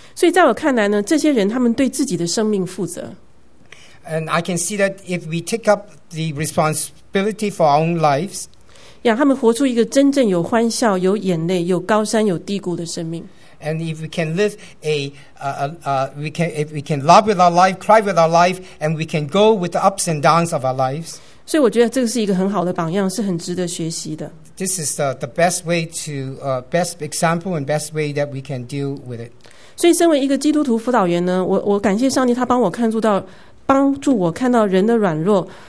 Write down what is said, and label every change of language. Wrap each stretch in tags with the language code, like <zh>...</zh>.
<zh>所以在我看来呢, 这些人, 他们对自己的生命负责。</zh> <en>And I can see that if we take up the responsibility for our own lives,</en> <zh>让他们活出一个真正有欢笑, 有眼泪, 有高山, 有低谷的生命。</zh> <en>And if we can live a, if we can love with our life, cry with our life, and we can go with the ups and downs of our lives.</en> <zh>所以我觉得这是一个很好的榜样, 是很值得学习的。</zh> <en>This is the best way to best example and best way that we can deal with it.</en> <zh>所以身为一个基督徒辅导员呢, 我感谢上帝，他帮我看出到，帮助我看到人的软弱。</zh>